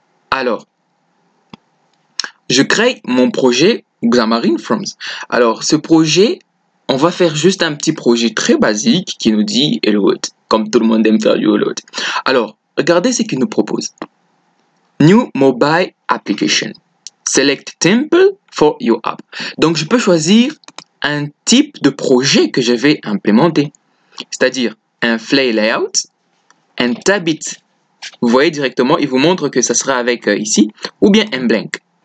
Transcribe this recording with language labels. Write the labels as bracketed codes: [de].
[fr] Alors, je crée mon projet Xamarin Forms. Alors, ce projet, on va faire juste un petit projet très basique qui nous dit hello world. Comme tout le monde aime faire du hello world. Alors, regardez ce qu'il nous propose. [en] New mobile application. Select temple for your app. [fr] Donc, je peux choisir un type de projet que je vais implémenter. C'est-à-dire un Flay Layout, un Tabit, vous voyez directement, il vous montre que ça sera avec ici, ou bien un Blank.